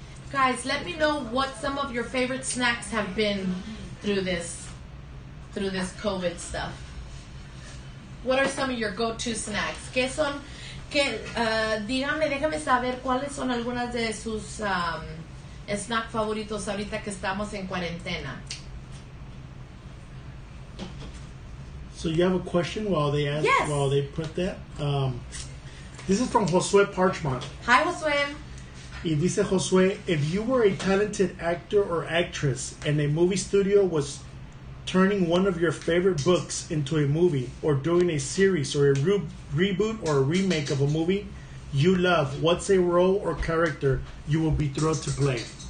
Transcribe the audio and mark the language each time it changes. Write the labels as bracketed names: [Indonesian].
[English] Guys, let me know what some of your favorite snacks have been through this COVID stuff. What are some of your go-to snacks? [Spanish] ¿Qué son? Déjame saber cuáles son algunas de sus snacks favoritos ahorita que estamos en cuarentena. [English] So you have a question while they ask, yes. While they put that? This is from Josue Parchmont. Hi, Josue. [Spanish] Y dice [English] Josue, if you were a talented actor or actress and a movie studio was turning one of your favorite books into a movie or doing a series or a reboot or a remake of a movie you love, what's a role or character you will be thrilled to play?